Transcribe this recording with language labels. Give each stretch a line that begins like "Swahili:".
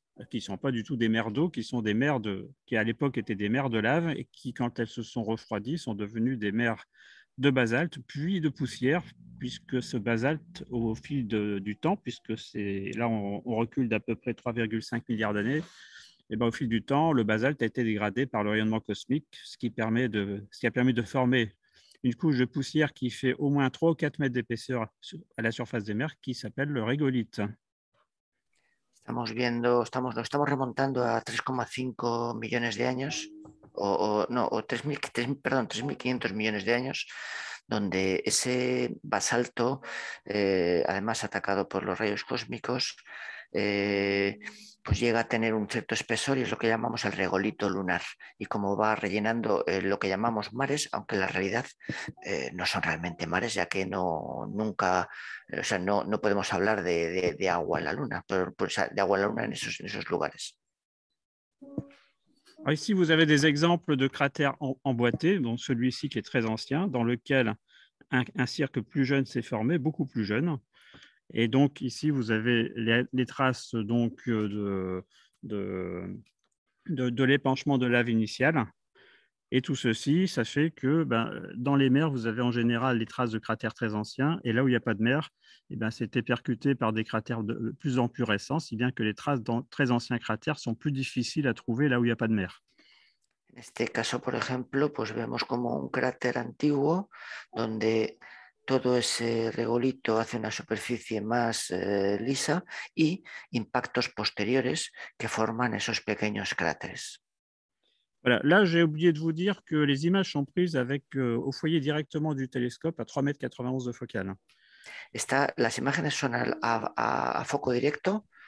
French: qui ne sont pas du tout des mers d'eau, qui sont des mers qui à l'époque étaient des mers de lave et qui, quand elles se sont refroidies, sont devenues des mers de basalte, puis de poussière, puisque ce basalte, au fil du temps, puisque c'est là on recule d'à peu près 3,5 milliards d'années, et bien au fil du temps, le basalte a été dégradé par le rayonnement cosmique, ce qui a permis de former une couche de poussière qui fait au moins 3 ou 4 mètres d'épaisseur à la surface des mers, qui s'appelle le régolithe.
Spanish: Estamos viendo,
French: nous
Spanish: estamos remontando
French: à 3,5 millions d'années.
Spanish: O 3.500 millones de años, donde ese basalto, además atacado por los rayos cósmicos, pues llega a tener un cierto espesor y es lo que llamamos el regolito lunar. Y como va rellenando lo que llamamos mares, aunque en la realidad no son realmente mares, ya que no podemos hablar de agua en la Luna, de agua en la Luna en esos lugares.
French: Alors ici, vous avez des exemples de cratères emboîtés, donc celui-ci qui est très ancien, dans lequel un cirque plus jeune s'est formé, beaucoup plus jeune. Et donc ici, vous avez les traces donc, de l'épanchement de lave initiale. Et tout ceci, sachez que ben, dans les mers, vous avez en général les traces de cratères très anciens. Et là où il n'y a pas de mer, eh ben, c'était percuté par des cratères de plus en plus récents, si bien que les traces de très anciens cratères sont plus difficiles à trouver là où il n'y a pas de mer.
Spanish: En este caso, por ejemplo, pues vemos como un cráter antiguo, donde todo ese regolito hace una superficie más lisa y impactos posteriores que forman esos pequeños cráteres.
French: Voilà. Là, j'ai oublié de vous dire que les images sont prises avec au foyer directement du télescope à 3,91 m de focale.
Spanish: Las imágenes son a foco directo.